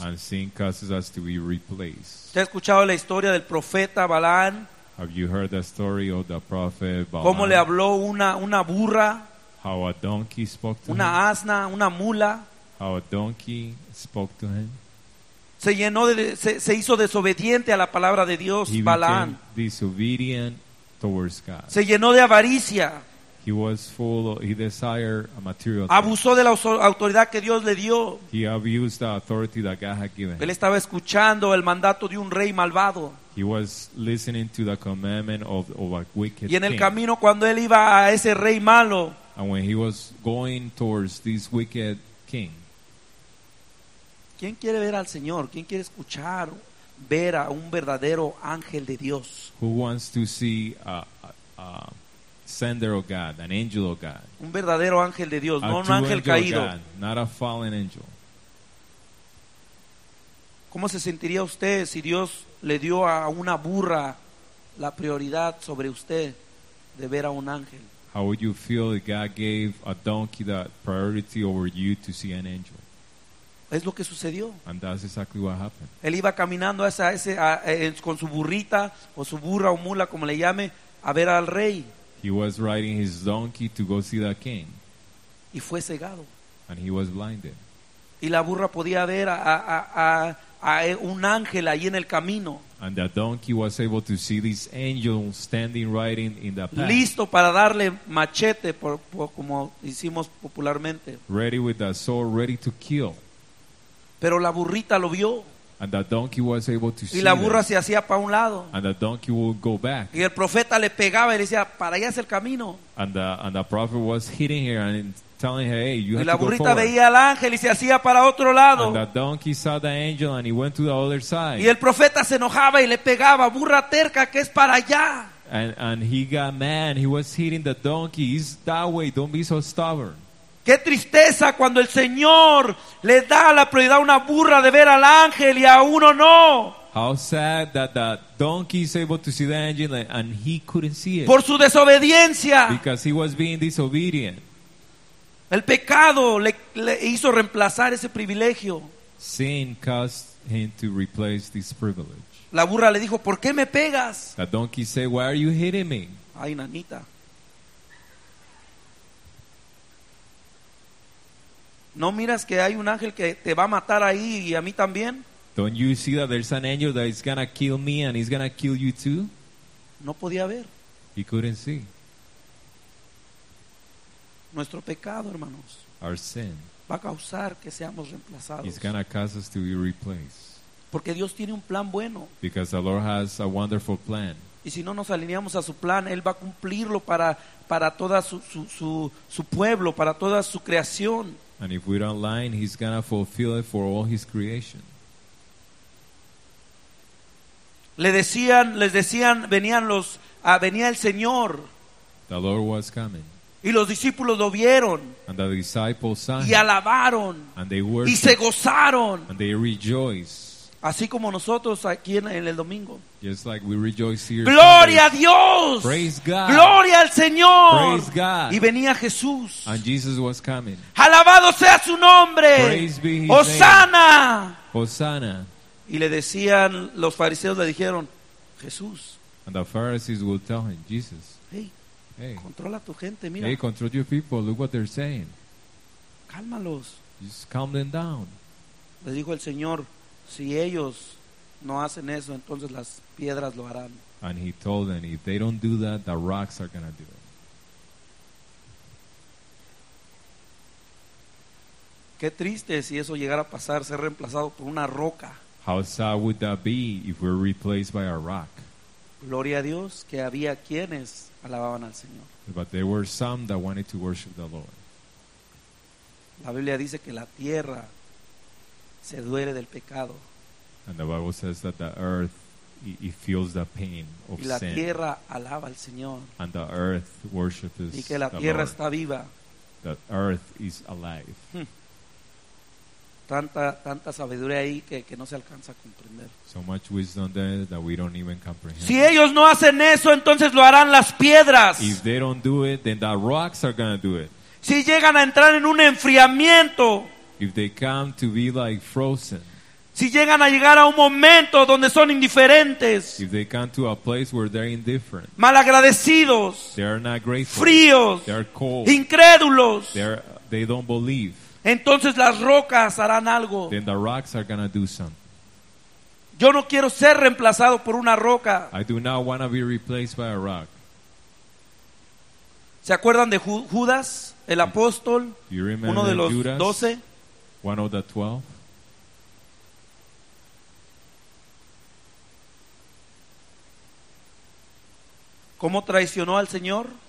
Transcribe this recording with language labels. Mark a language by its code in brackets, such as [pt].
[en] And sin causes us to be replaced. [es] ¿Usted ha escuchado la historia del profeta Balaam? [en] Have you heard the story of the prophet Balaam? [es] ¿Cómo le habló una burra? [en] How a donkey spoke to [es] una [en] him? [es] Una asna, una mula. [en] How a donkey spoke to him? [es] Se llenó se hizo desobediente a la palabra de Dios, [en] he Balaam. Became disobedient towards God. [es] Se llenó de avaricia. [en] He was full of, he desired a material thing. [es] Abusó de la autoridad que Dios le dio. [en] He abused the authority that God had given. [es] Él estaba escuchando el mandato de un rey malvado. [en] He was listening to the commandment of a wicked [es] Y en el [en] king. [es] Camino cuando él iba a ese rey malo. [en] And when he was going towards this wicked king. [es] ¿Quién quiere ver al Señor? ¿Quién quiere escuchar ver a un verdadero ángel de Dios? [en] Who wants to see a sender of God, an angel of God. [es] Un verdadero ángel de Dios, a no un ángel caído. [en] God, not a fallen angel. [es] ¿Cómo se sentiría usted si Dios le dio a una burra la prioridad sobre usted de ver a un ángel? [en] How would you feel if God gave a donkey that priority over you to see an angel? [es] Es lo que sucedió. [en] And that's exactly what happened. [es] Él iba caminando con su burrita o su burra o mula, como le llame, a ver al rey. [en] He was riding his donkey to go see the king. [es] Y fue cegado. [en] And he was blinded. [es] Y la burra podía ver a un ángel allí en el camino. [en] And the donkey was able to see this angel standing right in the path. [es] Listo para darle machete, por como hicimos popularmente. [en] Ready with the sword, ready to kill. [es] Pero la burrita lo vio. [en] And that donkey was able to see. [es] Y la burra se hacía para un lado. [en] And the donkey would go back. [es] Y el profeta le pegaba y le decía, para allá es el camino. [en] And the prophet was hitting her and telling her, hey, you [es] y [en] have [es] la burrita [en] to go [es] veía al ángel y se hacía para otro lado. [en] And the donkey saw the angel and he went to the other side. [es] Y el profeta se enojaba y le pegaba, burra terca, que es para allá. [en] And he got mad. He was hitting the donkey. He's that way. Don't be so stubborn. [es] Qué tristeza cuando el Señor le da la prioridad a una burra de ver al ángel y a uno no. [en] How sad that the donkey is able to see the angel and he couldn't see it. [es] Por su desobediencia. [en] Because he was being disobedient. [es] El pecado le hizo reemplazar ese privilegio. [en] Sin caused him to replace this privilege. [es] La burra le dijo, ¿por qué me pegas? [en] The donkey said, why are you hitting me? [es] Ay, nanita. ¿No miras que hay un ángel que te va a matar ahí y a mí también? [en] Don't you see that there's an angel that is gonna kill me and he's gonna kill you too? [es] No podía ver. [en] He couldn't see. [es] Nuestro pecado, hermanos. [en] Our sin. [es] Va a causar que seamos reemplazados. [en] It's gonna cause us to be replaced. [es] Porque Dios tiene un plan bueno. [en] Because the Lord has a wonderful plan. [es] Y si no nos alineamos a su plan, Él va a cumplirlo para toda su pueblo, para toda su creación. [en] And if we don't align, He's gonna fulfill it for all His creation. [es] Les decían, venía el Señor. [en] The Lord was coming. [es] Y los discípulos lo vieron. [en] And the disciples saw [es] y alabaron. [en] And they worshiped. [es] Y se gozaron. [en] And they rejoiced. [es] Así como nosotros aquí en el domingo. [en] Just like we rejoice here. [es] Gloria a Dios. [en] Praise God. [es] Gloria al Señor. [en] Praise God. [es] Y venía Jesús. [en] And Jesus was coming. [es] Alabado sea su nombre. [en] Praise be his name. [es] Hosanna. [en] Hosanna. [es] Y le decían los fariseos le dijeron, Jesús. [en] And the Pharisees would tell him, Jesus. Hey. Hey. [es] Controla tu gente, mira. [en] Hey, control your people. Look what they're saying. [es] Cálmalos. [en] Just calm them down. [es] Le dijo el Señor. Si ellos no hacen eso, entonces las piedras lo harán. [en] And he told them, if they don't do that, the rocks are going to do it. [es] Qué triste si eso llegara a pasar, ser reemplazado por una roca. [en] How sad would that be if we're replaced by a rock? [es] Gloria a Dios que había quienes alababan al Señor. [en] But there were some that wanted to worship the Lord. [es] La Biblia dice que la tierra se duele del pecado. [en] And the Bible says that the earth it feels the pain of sin. [es] Y la tierra alaba al Señor. [en] And the earth worships the Lord. [es] Y que la tierra está viva. [en] The earth is alive. [es] Tanta sabiduría ahí que no se alcanza a comprender. [en] So much wisdom there that we don't even comprehend. [es] Si ellos no hacen eso, entonces lo harán las piedras. [en] If they don't do it, then the rocks are going to do it. [es] Si llegan a entrar en un enfriamiento. [en] If they come to be like frozen. [es] Si llegan a llegar a un momento donde son indiferentes. [en] If they come to a place where they're indifferent. [es] Malagradecidos. [en] They are not grateful. [es] Fríos. [en] They are cold. [es] Incrédulos. [en] They don't believe. [es] Entonces las rocas harán algo. [en] Then the rocks are gonna do something. [es] Yo no quiero ser reemplazado por una roca. [en] I do not want to be replaced by a rock. [es] ¿Se acuerdan de Judas, el apóstol? [en] You remember [es] uno de los [en] Judas? [es] 12. [en] One of the 12. [es] ¿Cómo traicionó al Señor?